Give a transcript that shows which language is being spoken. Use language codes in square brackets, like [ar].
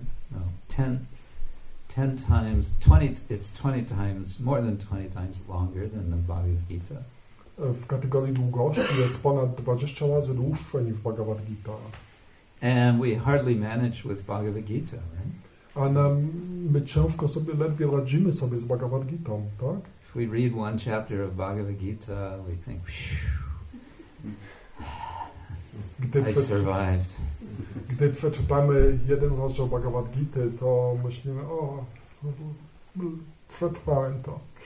[en] No, 10 times 20. It's 20 times more than 20 times longer than the Bhagavad Gita. [pl] W kategorii długości jest ponad 20 razy dłuższe niż Bhagavad Gita. [en] And we hardly manage with Bhagavad Gita, right? [pl] A nam, my ciężko sobie, ledwie radzimy sobie z Bhagavad Gita, tak? [en] If we read one chapter of Bhagavad Gita, we think, I survived. [pl] Gdy przeczytamy jeden rozdział Bhagavad Gita, to myślimy, o, przetrwałem to.